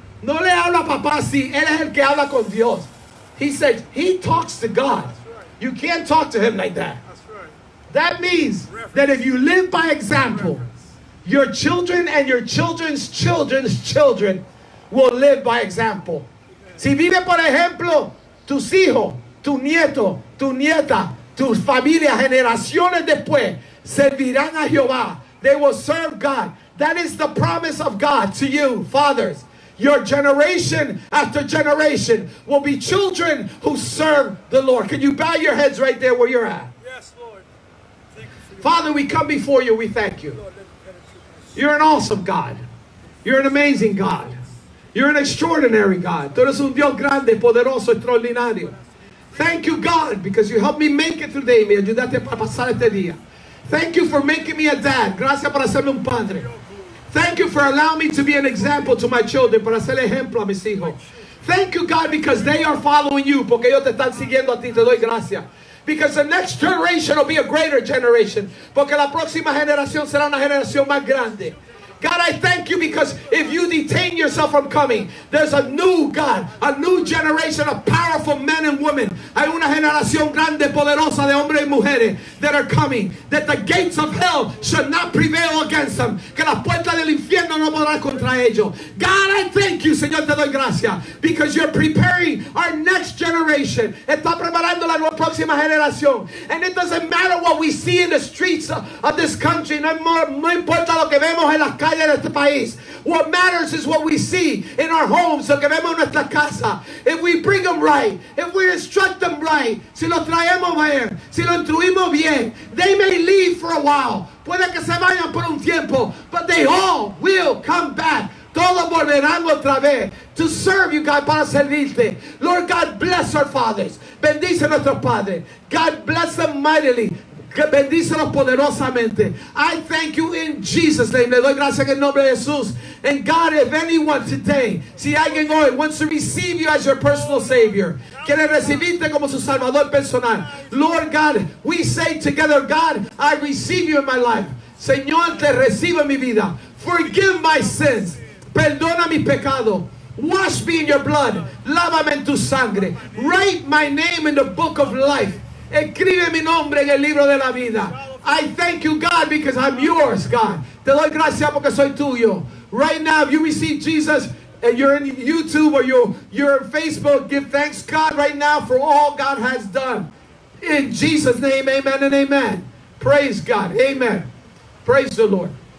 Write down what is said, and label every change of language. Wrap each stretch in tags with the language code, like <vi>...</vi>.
<es>No le habla papá así. Él es el que habla con Dios.</es> <en>He said, he talks to God. Right. You can't talk to him like that. That's right. That means reference. That if you live by example, reference. Your children and your children's children's children will live by example. Amen.</en> <es>Si vive por ejemplo, tus hijos, tu nieto, tu nieta, tus familias, generaciones después, servirán a Jehová.</es> <en>They will serve God. That is the promise of God to you, fathers. Your generation after generation will be children who serve the Lord. Can you bow your heads right there where you're at? Yes, Lord. Thank you. Father, we come before you. We thank you. You're an awesome God. You're an amazing God. You're an extraordinary God.</en> <es>Tú eres un Dios grande, poderoso, extraordinario.</es> <en>Thank you, God, because you helped me make it through the day.</en> <es>Me ayudaste para pasar este día.</es> <en>Thank you for making me a dad.</en> <es>Gracias por hacerme un padre.</es> <en>Thank you for allowing me to be an example to my children.</en> <es>Para ser ejemplo a mis hijos.</es> <en>Thank you, God, because they are following you.</en> <es>Porque ellos te están siguiendo a ti. Te doy gracias.</es> <en>Because the next generation will be a greater generation.</en> <es>Porque la próxima generación será una generación más grande.</es> <en>God, I thank you because if you detain yourself from coming, there's a new God, a new generation of powerful men and women.</en> <es>Hay una generación grande, poderosa de hombres y mujeres</es> <en>that are coming, that the gates of hell should not prevail against them.</en> <es>Que las puertas del infierno no podrán contra ellos.</es> <en>God, I thank you,</en> <es>Señor, te doy gracias,</es> <en>because you're preparing our next generation.</en> <es>Está preparando la próxima generación.</es> <en>And it doesn't matter what we see in the streets of this country.</en> <es>No importa lo que vemos en las calle de este país.</es> <en>What matters is what we see in our homes,</en> <es>lo que vemos en nuestra casa.</es> <en>If we bring them right, if we instruct them right,</en> <es>si lo traemos bien, si lo instruimos bien,</es> <en>they may leave for a while.</en> <es>Puede que se vayan por un tiempo,</es> <en>but they all will come back.</en> <es>Todos volverán otra vez</es> <en>to serve you, God,</en> <es>para servirte.</es> <en>Lord God, bless our fathers.</en> <es>Bendice a nuestro padre.</es> <en>God bless them mightily.</en> <es>Bendícelos poderosamente.</es> <en>I thank you in Jesus' name.</en> <es>Le doy gracias en nombre de Jesús.</es> <en>And God, if anyone today,</en> <es>si alguien hoy</es> <en>wants to receive you as your personal Savior,</en> <es>quiere recibirte como su Salvador personal,</es> <en>Lord God, we say together, God, I receive you in my life.</en> <es>Señor, te recibo en mi vida.</es> <en>Forgive my sins.</en> <es>Perdona mi pecado.</es> <en>Wash me in your blood.</en> <es>Lávame en tu sangre.</es> <en>Write my name in the book of life.</en> <es>Escribe mi nombre en el libro de la vida.</es> <en>I thank you, God, because I'm yours, God.</en> <es>Te doy gracias porque soy tuyo.</es> <en>Right now, if you receive Jesus and you're in YouTube or you're on Facebook, give thanks, God, right now for all God has done. In Jesus' name, amen and amen. Praise God. Amen. Praise the Lord.</en>